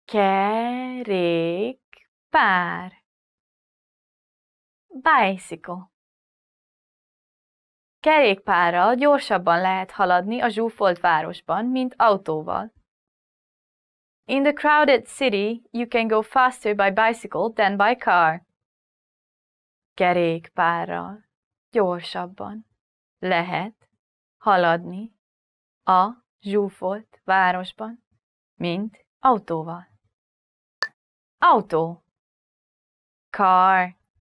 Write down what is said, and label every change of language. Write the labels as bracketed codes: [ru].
[hu] Kerékpár. [en] Bicycle. [hu] Kerékpárral gyorsabban lehet haladni a zsúfolt városban, mint autóval. [en] In the crowded city, you can go faster by bicycle than by car. [hu] Kerékpárral gyorsabban lehet haladni a zsúfolt városban, mint autóval. Autó. [en] Car.